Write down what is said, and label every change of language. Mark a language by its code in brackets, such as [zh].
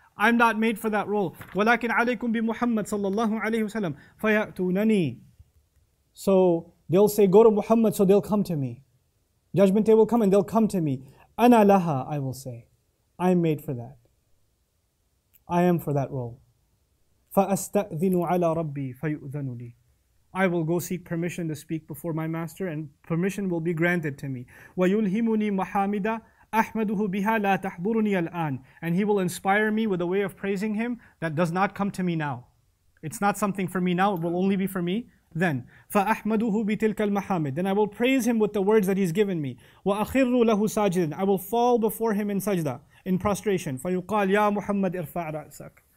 [en] I'm not made for that role. [ar] وَلَكِنْ عَلَيْكُمْ بِمُحَمَّدٍ صَلَّى اللَّهُ عَلَيْهِ وَسَلَّمَ فَيَأْتُونَنِي. [en] So they'll say, go to Muhammad, so they'll come to me. Judgment Day will come and they'll come to me. [ar] أنا لها, [en] I will say, I am made for that. I am for that role. [ar] فأستأذن على ربي فيؤذن لي. [en] I will go seek permission to speak before my master, and permission will be granted to me. [ar] ويلهمني محامدا أحمده بها لا تحضرني الآن. [en] And he will inspire me with a way of praising him that does not come to me now. It's not something for me now. It will only be for me then. [ar] فَأَحْمَدُهُ بِتِلْكَ الْمَحَامِدِ. [en] Then I will praise him with the words that he's given me. [ar] وَأَخِرُّ لَهُ سَاجِدًا. [en] I will fall before him in sajda, in prostration. [ar] فَيُقَالْ يَا مُحَمَّدْ إِرْفَعْ رَأْسَكَ.